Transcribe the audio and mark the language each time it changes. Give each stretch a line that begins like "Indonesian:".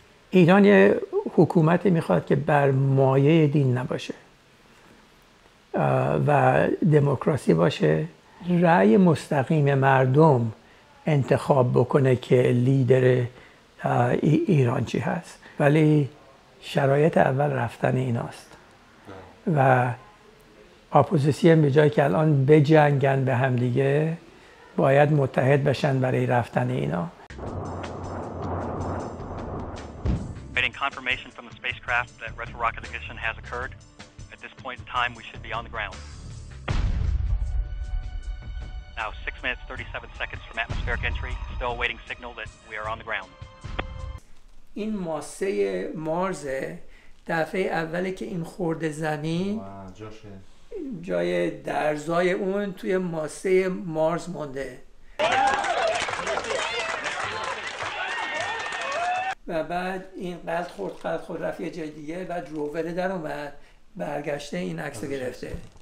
Persian: ایران یه حکومتی میخواد که بر مایه دین نباشه و دموکراسی باشه، رأی مستقیم مردم انتخاب بکنه که لیدر ایران چی هست، ولی شرایط اول رفتن ایناست و اپوزیسیون به جایی که الان بجنگن به هم دیگه باید متحد بشن برای رفتن اینا.
English: Getting confirmation from the spacecraft that retro rocket ignition has occurred. At this point in time we should be on the ground. Now 6 minutes 37 seconds from atmospheric entry, still awaiting signal that we are on the ground.
Persian: این ماسه مارز دفعه اولی که این خورد زمین جای درزای اون توی ماسه مارز مونده و بعد این قلط خورد رفت یه جای دیگه، بعد روبره در اومد برگشته این عکس رو گرفته.